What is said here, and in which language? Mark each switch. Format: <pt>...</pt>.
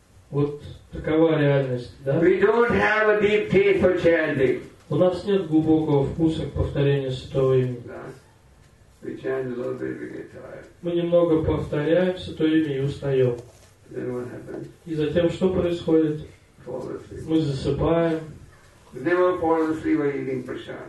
<ru>Вот такова реальность, да?</ru> <en>We don't have a deep taste for chanting.</en> <ru>У нас нет глубокого вкуса к повторению святого имени.</ru> <en>We chant a little bit, we get tired.</en> <ru>Мы немного повторяем святое имя и устаем.</ru> <en>Then what happens?</en> <ru>И затем что происходит?</ru> <en>Fall asleep.</en> <ru>Мы засыпаем.</ru> <en>Never fall asleep while eating prasad.</en>